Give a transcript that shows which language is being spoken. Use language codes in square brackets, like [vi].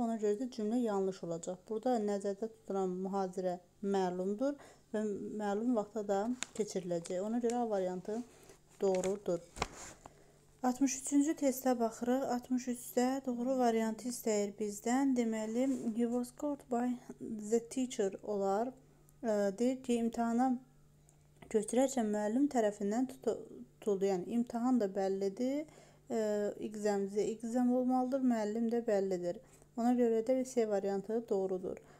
[az] Ona görə də cümlə yanlış olacaq. Burada nəzərdə tutulan mühazirə məlumdur və məlum vaxta da keçiriləcək. Ona görə A variantı doğrudur. 63-cü testə baxırıq. 63-də doğru variantı istəyir bizdən. Deməli, [en] he was caught by the teacher [az] olar. Deyir ki, imtahana götürərkən müəllim tərəfindən tutuldu. Yəni, imtahan da bəllidir. Exam olmalıdır. Müəllim də bəllidir. Ona görə də C variantı doğrudur.